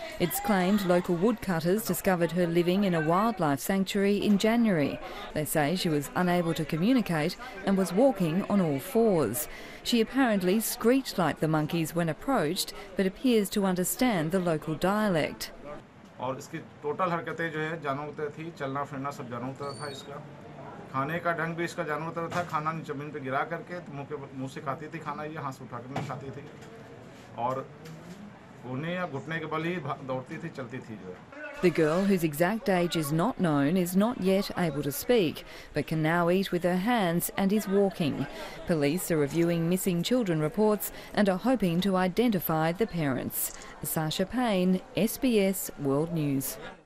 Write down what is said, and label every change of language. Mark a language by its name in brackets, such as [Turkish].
[English] It's claimed local woodcutters discovered her living in a wildlife sanctuary in January. They say she was unable to communicate and was walking on all fours. She apparently screeched like the monkeys when approached, but appears to understand the local dialect. [Hindi] और इसकी total हरकतें जो है जानवरों की तरह थी, चलना फिरना सब जानवरों की तरह था इसका, खाने का ढंग भी इसका जानवरों की तरह था, खाना जमीन पे गिरा करके तो मुंह से खाती थी खाना, ये हाथ से उठाकर नहीं खाती थी, और घुटने या घुटने के बल ही दौड़ती थी, चलती थी जो है। [English] The girl, whose exact age is not known, is not yet able to speak, but can now eat with her hands and is walking. Police are reviewing missing children reports and are hoping to identify the parents. Sasha Payne, SBS World News.